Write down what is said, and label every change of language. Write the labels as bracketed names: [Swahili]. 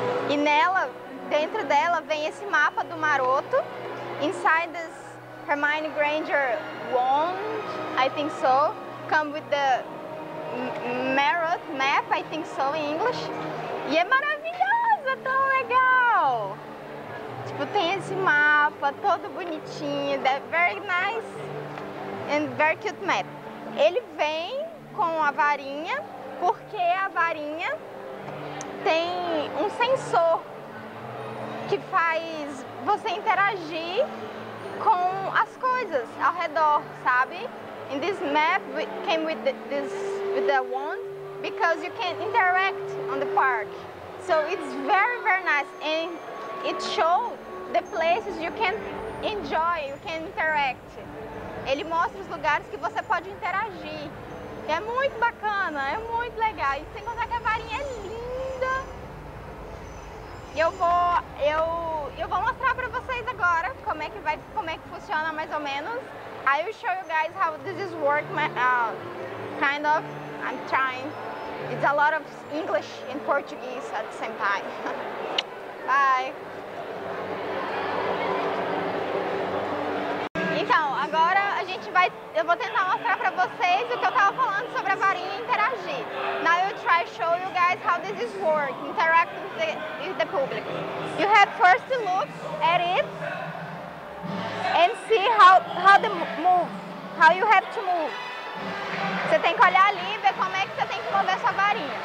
[Portuguese] E nela, dentro dela, vem esse mapa do maroto. [English] Inside this Hermione Granger wand, I think so, come with the Marot map, I think so, in English. [Portuguese] E é maravilhoso, é tão legal! Tipo, tem esse mapa todo bonitinho, [English] that very nice and very cute map. [Portuguese] Ele vem com a varinha, porque a varinha tem um sensor que faz você interagir com as coisas ao redor, sabe? [English] And this map came with the wand because you can interact on the park. So it's very, very nice. And it shows the places you can enjoy, you can interact. [Portuguese] Ele mostra os lugares que você pode interagir. É muito bacana, é muito legal. E sem contar que a varinha é linda. E eu vou mostrar pra vocês agora como é que funciona mais ou menos. [English] I will show you guys how this is work, kind of. I'm trying. It's a lot of English and Portuguese at the same time. Bye. [Portuguese] Então, agora eu vou tentar mostrar pra vocês o que eu tava falando sobre a varinha interagir. [English] Now I will try to show you guys how this is work, interact with the public. You have first to look at it and see how the move, how you have to move. [Portuguese] Você tem que olhar ali e ver como é que você tem que mover sua varinha.